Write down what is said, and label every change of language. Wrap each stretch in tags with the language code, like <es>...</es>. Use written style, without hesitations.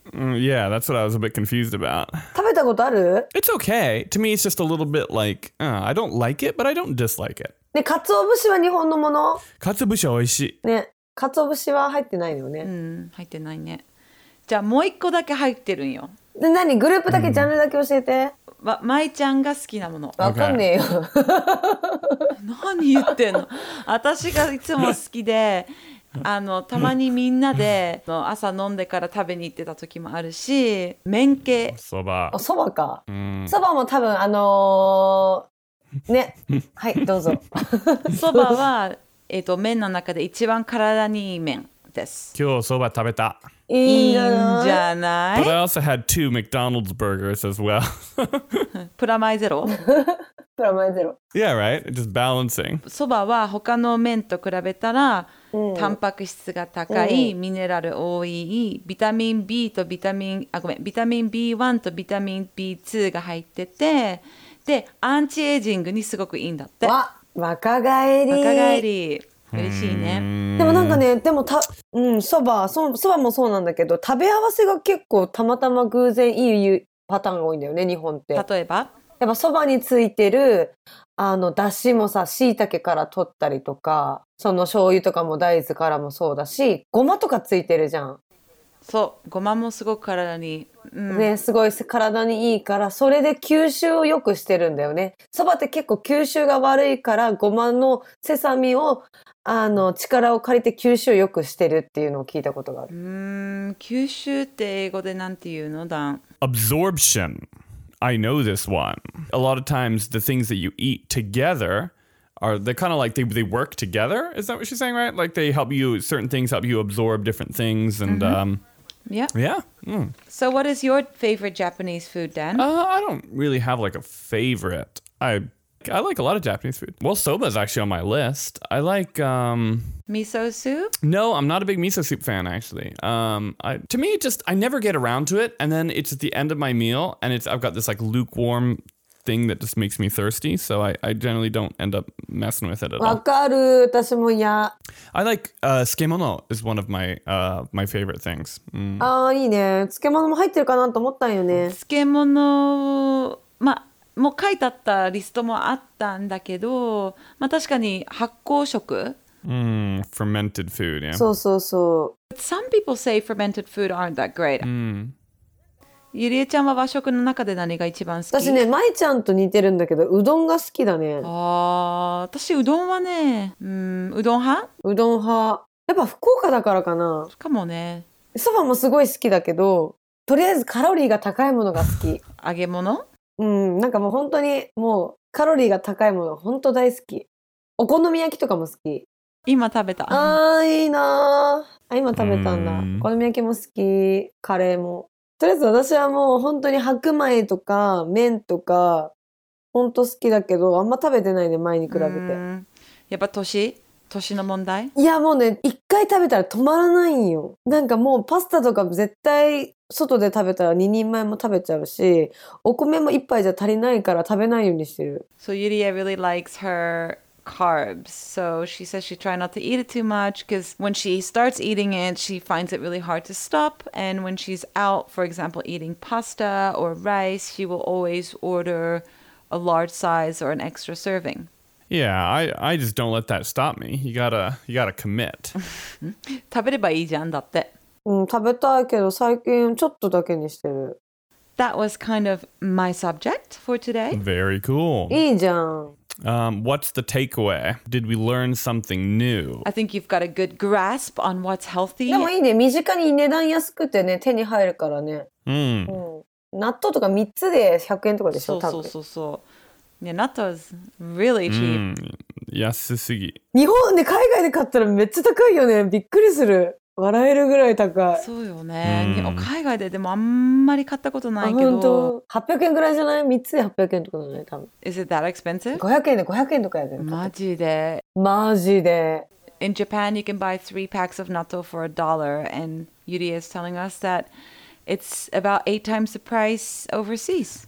<en>Yeah, that's what I was a bit confused about.</en> <ja>食べたことある?</ja> <en>It's okay. To me, it's just a little bit like, I don't like it, but I don't dislike it.</en> <ja>ね、かつお節は日本のもの? かつお節は美味しい。ね、かつお節は入ってないよね。うん、入ってないね。じゃあもう一個だけ入ってるんよ。で何グループだけ、うん、ジャンルだけ教えて。まいちゃんが好きなもの。わかんねえよ。何言ってんの。私がいつも好きで、あのたまにみんなで朝飲んでから食べに行ってた時もあるし、麺系。そば。そばか。そばも多分ね、はいどうぞ。そばは麺の中で一番体にいい麺です。今日そば食べた。いいんじゃない。</ja> <en>But I also had two McDonald's burgers as well.</en> <ja>プラマイゼロ。プラマイゼロ。</ja> <en>Yeah, right. Just balancing.</en> <ja>そばは他の麺と比べたら、うん、タンパク質が高い、うん、ミネラル多い、ビタミン B とビタミン、あ、ごめん、ビタミン B1 とビタミン B2 が入ってて、で、アンチエイジングにすごくいいんだって。わ、若返り。若返り。嬉しいね。でもなんかね、でもた、うん、そば、そばもそうなんだけど、食べ合わせが結構たまたま偶然いいパターンが多いんだよね、日本って。例えば？やっぱそばについてる、あの、だしもさ、椎茸から取ったりとか、その醤油とかも大豆からもそうだし、ごまとかついてるじゃん。そう、ごまもすごく体に、うん、ね、すごい体にいいから、それで吸収を良くしてるんだよね。そばって結構吸収が悪いから、ごまのセサミをあの力を借りて吸収を良くしてるっていうのを聞いたことがある。吸収って英語でなんて言うの、ダン。</ja> <en>Absorption. I know this one. A lot of times the things that you eat togetherAre they kind of like they work together? Is that what she's saying, right? Like they help you, certain things help you absorb different things and, Yeah. Yeah. Mm. So what is your favorite Japanese food, Dan? I don't really have like a favorite. I like a lot of Japanese food. Well, soba is actually on my list. I like, Miso soup? No, I'm not a big miso soup fan, actually. To me, it just, I never get around to it. And then it's at the end of my meal and I've got this like lukewarm,thing that just makes me thirsty, so I generally don't end up messing with it at all.</en> <ja>わかる、私もや。</ja> <en>I like, sukemono is one of my favorite things.</en> <ja>Mm. ああ、いいね。sukemono も入ってるかなと思ったんよね。 sukemono、ま、もう書いてあったリストもあったんだけど、ま、確かに発酵食。</ja> <en>Fermented food, yeah.</en> <ja>そうそうそう。</ja> <en>But some people say fermented food aren't that great. Mm.</en> <ja>ゆりえちゃんは和食の中で何が一番好き？私ね、まいちゃんと似てるんだけど、うどんが好きだね。あー、私うどんはね、うどん派？うどん派。やっぱ福岡だからかな。しかもね。そばもすごい好きだけど、とりあえずカロリーが高いものが好き。揚げ物？なんかもう本当にもうカロリーが高いもの本当大好き。お好み焼きとかも好き。今食べた。あー、いいなー。あ、今食べたんだ。お好み焼きも好き。カレーも。とりあえず私はもう本当に白米とか麺とか本当好きだけど、あんま食べてないね、前に比べて。やっぱ年の問題。いやもうね、一回食べたら止まらないんよ。なんかもうパスタとか絶対外で食べたら2人前も食べちゃうし、お米も一杯じゃ足りないから食べないようにしてる。</ja> <en>So Yuria really likes herCarbs. So she says she tried not to eat it too much because when she starts eating it, she finds it really hard to stop. And when she's out, for example, eating pasta or rice, she will always order a large size or an extra serving. Yeah, I just don't let that stop me. You gotta commit.</en> <ja>食べればいいじゃんだって。食べたいけど最近ちょっとだけにしてる。</ja> <en>That was kind of my subject for today. Very cool.</en> <ja>いいじゃん。</ja> <en>What's the takeaway? Did we learn something new? I think you've got a good grasp on what's healthy.</en> <ja>でもいいね。身近に値段安くてね、手に入るからね。納豆とか3つで100円とかでしょ、多分。そうそうそう。ね、納豆</ja> <en>is really cheap.</en> <ja>安すぎ。日本で海外で買ったらめっちゃ高いよね。びっくりする。笑えるぐらい高い。そうよね。海外ででもあんまり買ったことないけど。あ、本当。800円ぐらいじゃない？3つで800円とかだね、多分。</ja> <en>Is it that expensive?</en> <ja>500円で500円とかやで。マジで。マジで。</ja> <en>In Japan, you can buy 3 packs of natto for a dollar, and Yuri is telling us that it's about 8 times the price overseas.</en>